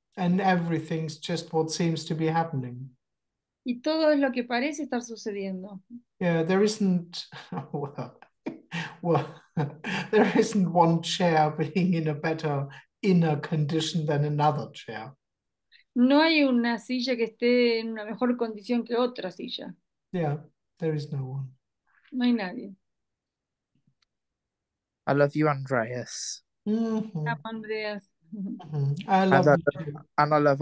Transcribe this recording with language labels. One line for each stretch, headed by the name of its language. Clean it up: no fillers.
English: And everything's just what seems to be happening.
Spanish: Y todo es lo que parece estar sucediendo.
English: Yeah, there isn't, well, there isn't one chair being in a better inner condition than another chair.
Spanish: No hay una silla que esté en una mejor condición que otra silla.
English: Yeah, there is no one.
Spanish: No hay nadie.
English: I love you, Andreas. Mm-hmm. Andreas. Mm-hmm. I love